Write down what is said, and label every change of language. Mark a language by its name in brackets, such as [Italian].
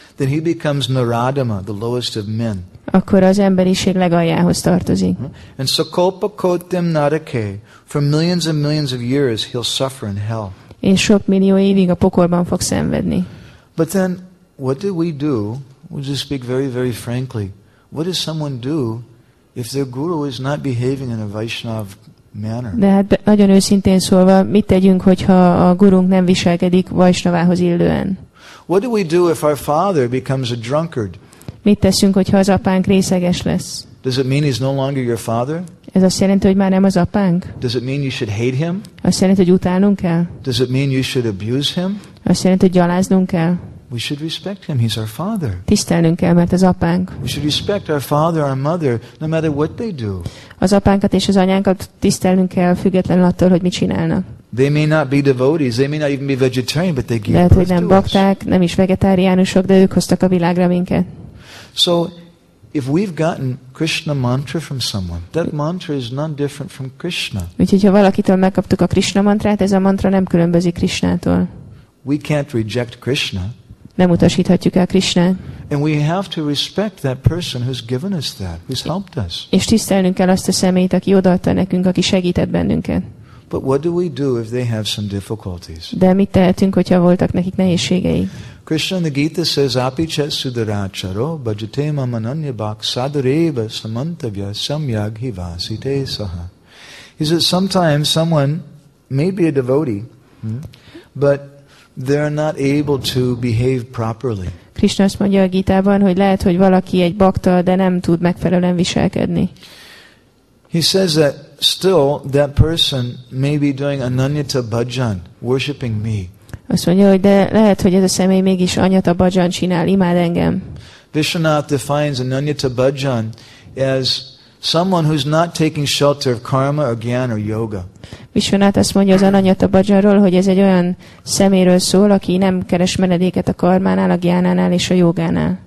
[English] then he becomes Naradama, the lowest of men. [Hungarian] Akkor az emberiség legaljához tartozik. [English] And [Sanskrit] sakalpa kotim narake, [English] for millions and millions of years he'll suffer in hell. [Hungarian] És sok millió évig a pokolban fog szenvedni. [English] But then, what do we do? We'll just speak very, very frankly. What does someone do if their guru is not behaving in a Vaishnava manner? [Hungarian] De hát nagyon őszintén szólva, mit tegyünk, hogyha a gurunk nem viselkedik Vaishnavához illően? [English] What do we do if our father becomes a drunkard? [Hungarian] Mit teszünk, hogyha az apánk részeges lesz? [English] Does it mean he's no longer your father? [Hungarian] Ez azt jelenti, hogy már nem az apánk? [English] Does it mean you should hate him? [Hungarian] Azt jelenti, hogy utálnunk kell? [English] Does it mean you should abuse him? [Hungarian] Azt jelenti, hogy gyaláznunk kell? [English] We should respect him. He's our father. [Hungarian] Tisztelnünk kell, mert az apánk. [English] We should respect our father, our mother, no matter what they do. [Hungarian] Az apánkat és az anyánkat tisztelnünk kell, függetlenül attól, hogy mit csinálnak. [English] They may not be devotees. They may not even be vegetarian, but they give birth to us. [Hungarian] Lehet, hogy nem bakták, nem is vegetáriánusok, de ők hoztak a világra minket. [English] So, if we've gotten Krishna mantra from someone, that mantra is not different from Krishna. [Hungarian] Úgyhogy ha valakitől megkaptuk a Krishna mantrát, ez a mantra nem különbözik Krishnától. [English] We can't reject Krishna. [Hungarian] Nem utasíthatjuk el Krishnát. [English] And we have to respect that person who's given us that, who's helped us. [Hungarian] És tisztelnünk kell azt a személyt, aki odaadta nekünk, aki segített bennünket. [English] But what do we do if they have some difficulties? [Hungarian] De mit tehetünk, hogyha voltak nekik nehézségei? [English] Krishna in the Gita says, [Sanskrit] apichet sudaracharo bhajate mam ananya bhak sadareva samantavya samyaghi vasite saha. [English] He says, sometimes someone may be a devotee, but they're not able to behave properly. [Hungarian] Krishna azt mondja a Gitában, hogy lehet, hogy valaki egy bhakta, de nem tud megfelelően viselkedni. [English] He says that still that person may be doing ananyata bhajan, worshipping me. [Hungarian] Azt mondja, hogy de lehet, hogy ez a személy mégis anyata bhajan csinál, imád engem. [English] Vishwanath defines ananyata bhajan as someone who's not taking shelter of karma or jnana or yoga. [Hungarian] Vishwanath azt mondja az ananyata bhajanról, hogy ez egy olyan szeméről szól, aki nem keres menedéket a karmánál, a jnánánál és a jogánál.